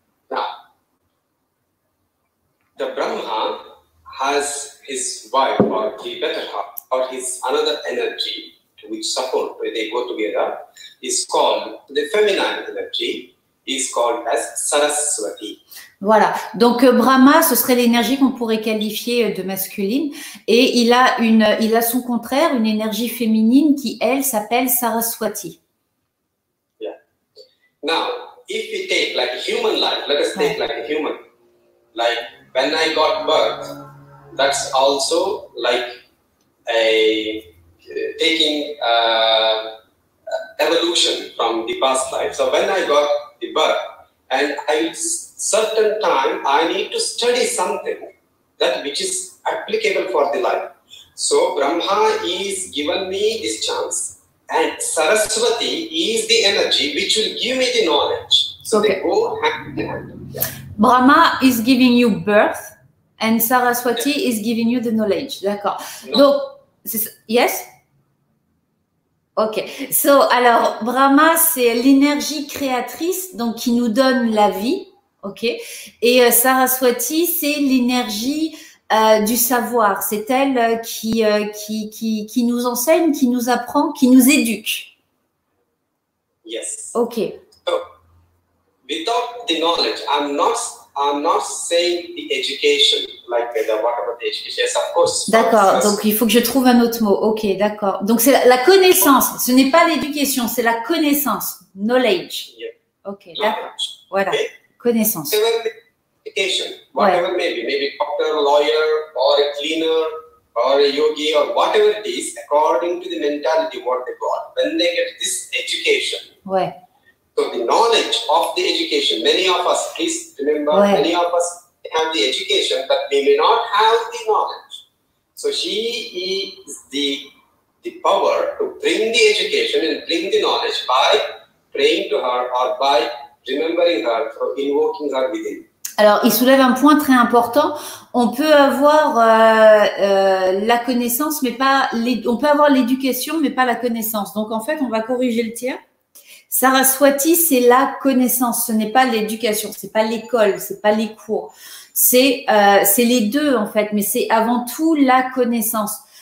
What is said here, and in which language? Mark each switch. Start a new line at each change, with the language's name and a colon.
English: Now, the Brahma has his wife or the better half or his another energy to which support when they go together is called the feminine energy. Is called as Saraswati.
French: Voilà, donc Brahma, ce serait l'énergie qu'on pourrait qualifier de masculine, et il a son contraire, une énergie féminine qui, elle, s'appelle Saraswati.
English: Yeah. Now, if we take like a human life, let us take like a human, like when I got birth, that's also like a taking evolution from the past life. So when I got the birth, and at certain time I need to study something that which is applicable for the life. So Brahma is given me this chance, and Saraswati is the energy which will give me the knowledge. So okay. They go hand in hand. Brahma is giving you birth, and Saraswati is giving you the knowledge.
French: D'accord.
English: No. So, yes.
French: Ok, so, alors Brahma, c'est l'énergie créatrice, donc qui nous donne la vie, ok. Et Saraswati, c'est l'énergie du savoir, c'est elle qui nous enseigne, qui nous apprend, qui nous éduque.
English: Yes. Ok. So, without the knowledge, I'm not saying the education, like the whatever the education, yes, of course.
French: D'accord, donc il faut que je trouve un autre mot. Ok, d'accord. Donc c'est la connaissance, ce n'est pas l'éducation, c'est la connaissance, knowledge.
English: Yes.
French: Ok, d'accord. Voilà, okay. Connaissance.
English: Education, whatever maybe doctor, lawyer, or a cleaner, or a yogi, or whatever it is, according to the mentality what they got, when they get this education.
French: Ouais.
English: So the knowledge of the education, many of us, please remember, many of us have the education, but we may not have the knowledge. So she is the power to bring the education and bring the knowledge by praying to her or by remembering her or invoking her within.
French: Alors, il soulève un point très important. On peut avoir la connaissance, mais pas on peut avoir l'éducation, mais pas la connaissance. Donc, en fait, on va corriger le tir. Saraswati, c'est la connaissance, ce n'est pas l'éducation, c'est pas l'école, c'est pas les cours. C'est les deux en fait, mais c'est avant tout la connaissance.